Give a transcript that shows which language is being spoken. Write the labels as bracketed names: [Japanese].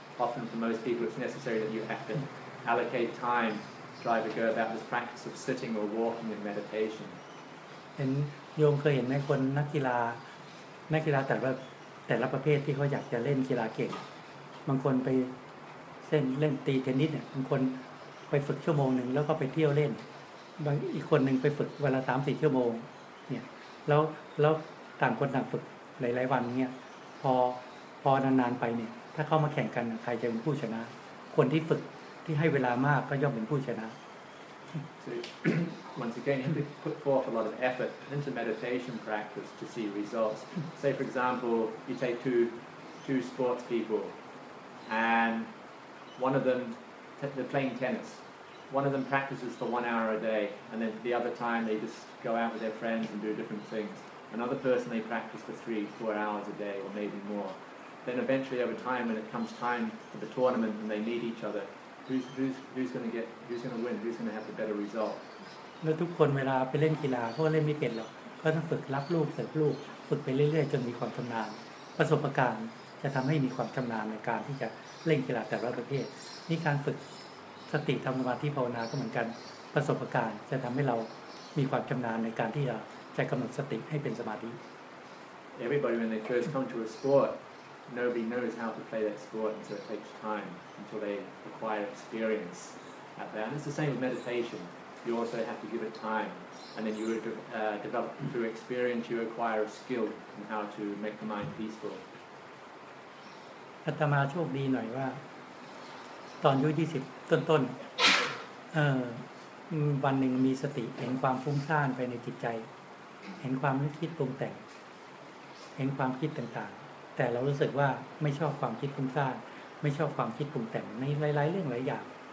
[English] Often for most people, it's necessary that you have to allocate time to try to go about this practice of sitting or walking in meditation. [Thai] เห็นโยมเคยเห็นไหมคนนักกีฬาแต่ละประเภทที่เขาอยากจะเล่นกีฬาเก่งบางคนไปเล่นตีเทนนิสเนี่ยบางคนไปฝึกชั่วโมงหนึ่งแล้วก็ไปเที่ยวเล่นบางอีกคนหนึ่งไปฝึกเวลา 3-4 ชั่วโมงเนี่ยแล้วต่างคนต่างฝึกหลายๆวันเนี่ยพอนานๆไปเนี่ยถ้าเข้ามาแข่งกันใครจะเป็นผู้ชนะคนที่ฝึกที่ให้เวลามากก็ย่อมเป็นผู้ชนะ [English] So, once again, you have to put forth a lot of effort into meditation practice to see results. Say, for example, you take two sports people. And one of them, they're playing tennis. One of them practices for 1 hour a day, and then the other time they just go out with their friends and do different things. Another person, they practice for 3-4 hours a day, or maybe more. Then eventually, over time, when it comes time for the tournament and they meet each other, who's going to win? Who's going to have the better result? [Thai] แล้วทุกคนเวลาไปเล่นกีฬาเพราะเล่นไม่เป็นหรอกก็ต้องฝึกรับลูกเสิร์ฟลูกฝึกไปเรื่อยๆจนมีความชำนาญประสบการณ์จะทำให้มีความชำนาญในการที่จะเล่นกีฬาแต่ละประเภทนี่การฝึกสติทำสมาธิภาวนาก็เหมือนกันประสบการณ์จะทำให้เรามีความชำนาญในการที่จะกำหนดสติให้เป็นสมาธิ [English] Everybody when they first come to a sport nobody knows how to play that sport and so it takes time until they acquire experience at that and it's the same with meditation you also have to give it time and then you develop through experience you acquire a skill in how to make the mind peaceful [Thai] อาตมาโชคดีหน่อยว่าตอนอายุ20ต้นๆวันหนึ่งมีสติเห็นความฟุ้งซ่านไปในจิตใจเห็นความคิดปรุงแต่งเห็นความคิดต่างๆแต่เรารู้สึกว่าไม่ชอบความคิดฟุ้งซ่านไม่ชอบความคิดปรุงแต่งในหลายๆเรื่องหลายอย่าง